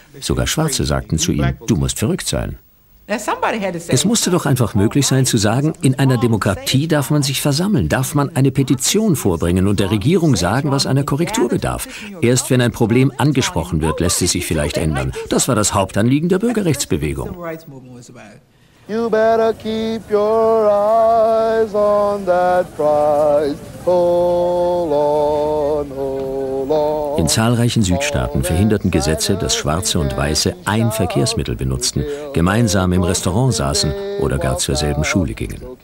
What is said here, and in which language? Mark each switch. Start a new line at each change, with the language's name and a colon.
German: Sogar Schwarze sagten zu ihm, du musst verrückt sein. Es musste doch einfach möglich sein zu sagen, in einer Demokratie darf man sich versammeln, darf man eine Petition vorbringen und der Regierung sagen, was einer Korrektur bedarf. Erst wenn ein Problem angesprochen wird, lässt es sich vielleicht ändern. Das war das Hauptanliegen der Bürgerrechtsbewegung.
English: You better keep your eyes on that prize. Hold on, hold on.
German: In zahlreichen Südstaaten verhinderten Gesetze, dass Schwarze und Weiße ein Verkehrsmittel benutzten, gemeinsam im Restaurant saßen oder gar zur selben Schule gingen.